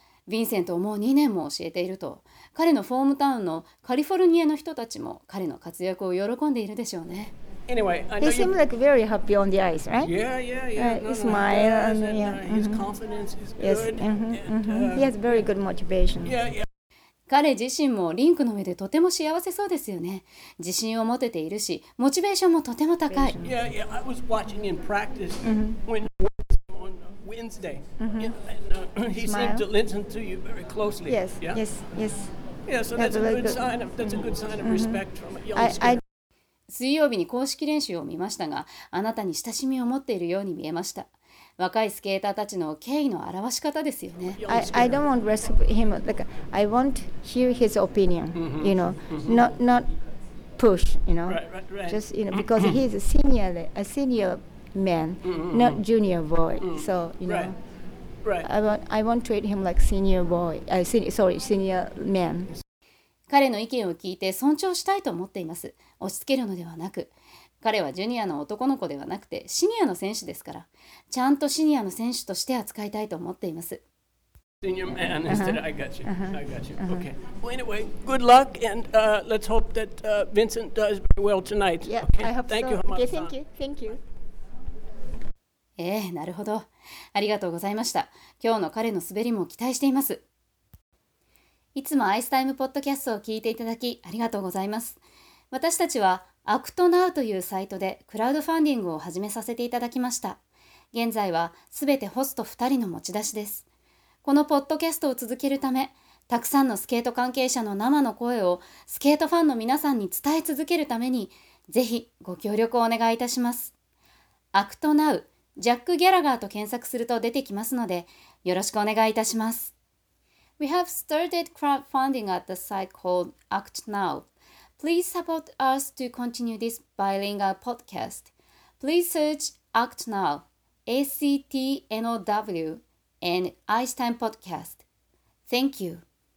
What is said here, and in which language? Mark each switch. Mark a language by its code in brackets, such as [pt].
[ja] ヴィンセントをもう2年も教えていると、彼のフォームタウンのカリフォルニアの人たちも彼の活躍を喜んでいるでしょうね。 [en] He seems like very happy on the ice, right? Yeah. He smiles and His confidence is good. Yes. He has very good motivation. Yeah. [ja] 彼自身もリンクの上でとても幸せそうですよね。自信を持てているし、モチベーションもとても高い。 [en] Yeah. I was watching in practice when you were on Wednesday. He seemed to listen to you very closely. Yes. Yes. Yes. Yeah. So that's a good sign of respect from a young skater. [ja] 水曜日に公式練習を見ましたが、あなたに親しみを持っているように見えました。若いスケーターたちの敬意の表し方ですよね。 [en] I don't want to respect him. Like, I want to hear his opinion, you know, not push, you know. Just, you know, because he's a senior man, not junior boy. So, you know, I want to treat him like senior boy. Senior man. [ja] 彼の意見を聞いて尊重したいと思っています。押し付けるのではなく、彼はジュニアの男の子ではなくてシニアの選手ですから、ちゃんとシニアの選手として扱いたいと思っています。 [en] Senior man instead. I got you. Okay. Well, anyway, good luck and let's hope that Vincent does very well tonight. Yeah, okay. I hope thank so. Okay, thank you. [ja] なるほど。ありがとうございました。今日の彼の滑りも期待しています。いつもアイスタイムポッドキャストを聞いていただきありがとうございます。私たちはアクトナウというサイトでクラウドファンディングを始めさせていただきました。現在はすべてホスト2人の持ち出しです。このポッドキャストを続けるため、たくさんのスケート関係者の生の声をスケートファンの皆さんに伝え続けるために、ぜひご協力をお願いいたします。アクトナウ、ジャック・ギャラガーと検索すると出てきますので、よろしくお願いいたします。 [en] We have started crowdfunding at the site called Act Now. Please support us to continue this bilingual podcast. Please search Act Now, ACTNOW, and Ice Time Podcast. Thank you.